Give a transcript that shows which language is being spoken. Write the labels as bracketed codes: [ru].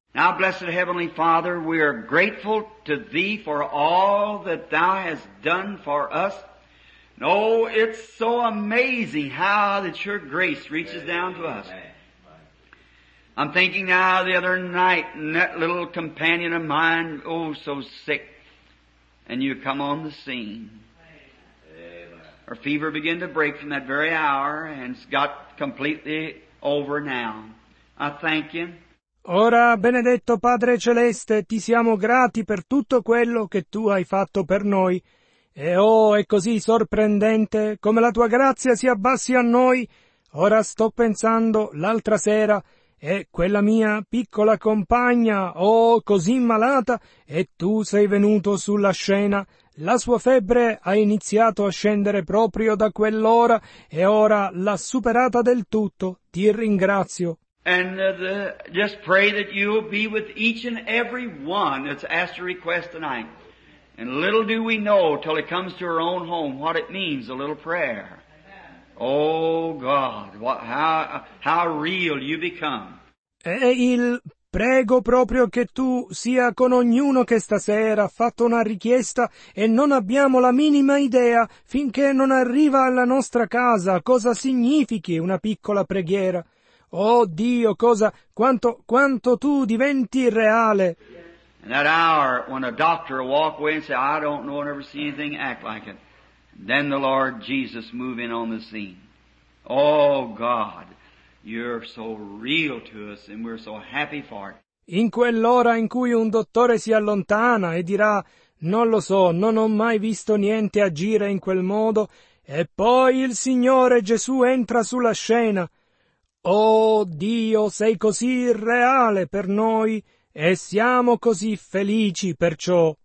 [en] Now, blessed Heavenly Father, we are grateful to Thee for all that Thou hast done for us. No, it's so amazing how that your grace reaches down to us. I'm thinking now the other night, and that little companion of mine, oh, so sick, and you come on the scene. Her fever began to break from that very hour, and it's got completely over now. I thank you. [it] Ora, benedetto Padre Celeste, ti siamo grati per tutto quello che tu hai fatto per noi. E oh, è così sorprendente come la tua grazia si abbassi a noi. Ora sto pensando l'altra sera, e quella mia piccola compagna, oh, così malata, e tu sei venuto sulla scena, La sua febbre ha iniziato a scendere proprio da quell'ora e ora l'ha superata del tutto. Ti ringrazio. [en] And just pray that you will be with each and every one that's asked a request tonight. And little do we know till it comes to our own home what it means, a little prayer. Oh God, how real you become. [it] E il prego proprio che tu sia con ognuno che stasera ha fatto una richiesta e non abbiamo la minima idea finché non arriva alla nostra casa cosa significhi una piccola preghiera. Oh Dio, cosa, quanto tu diventi reale. [en] And that hour when a doctor will walk away and say, I don't know, I've never seen anything act like it. Then the Lord Jesus move in on the scene. Oh God, you're so real to us and we're so happy for it. [it] In quell'ora in cui un dottore si allontana e dirà, non lo so, non ho mai visto niente agire in quel modo, e poi il Signore Gesù entra sulla scena. Oh Dio, sei così reale per noi e siamo così felici perciò.